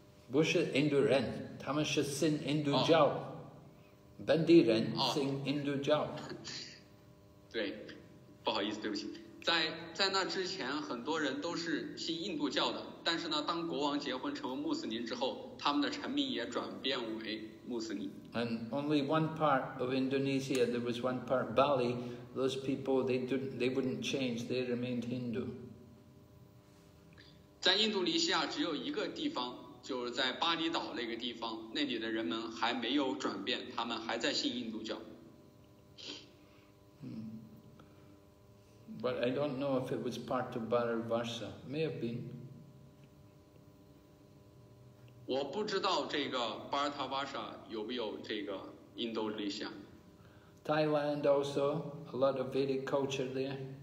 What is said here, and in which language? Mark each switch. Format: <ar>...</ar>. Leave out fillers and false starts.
<zh>不是印度人，他们是信印度教。本地人信印度教。对，不好意思，对不起。在那之前，很多人都是信印度教的。但是呢，当国王结婚成为穆斯林之后，他们的臣民也转变为穆斯林。</zh> <en>And only one part of Indonesia, there was one part Bali. Those people, they wouldn't change. They remained Hindu.</en> <zh>在印度尼西亚，只有一个地方。就是在巴厘岛那个地方，那里的人们还没有转变，他们还在信印度教。</zh> <en>But I don't know if it was part of Bharatvarsha. May have been.</en> <zh>我不知道这个 Bharatvarsha 有没有这个印度尼西亚。</zh> <en>Thailand also a lot of Vedic culture there.</en>